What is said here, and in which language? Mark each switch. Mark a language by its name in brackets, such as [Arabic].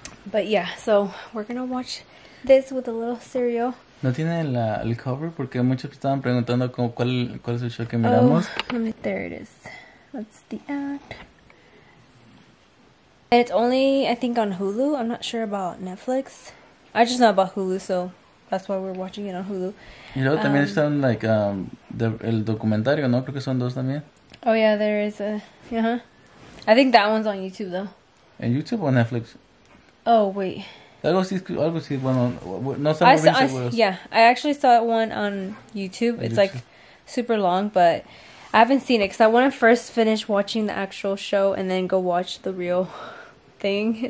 [English] But yeah, so we're gonna watch this with a little cereal. [Spanish] No tiene el cover porque muchos estaban preguntando como cuál es el show que miramos. [English] Oh, let me, there it is. That's the act. And it's only, I think, on Hulu. I'm not sure about Netflix. I just know about Hulu, so that's why we're watching it on Hulu. [Spanish] Y luego también están like el documentario, ¿no? Creo que son dos también. [English] Oh yeah, there is a I think that one's on YouTube though. [Spanish] ¿En YouTube o Netflix? [English] Oh wait. [Spanish] Algo sí, bueno, no sé. [English] I actually saw one on YouTube. It's YouTube. Like super long, but I haven't seen it because I want to first finish watching the actual show and then go watch the real thing.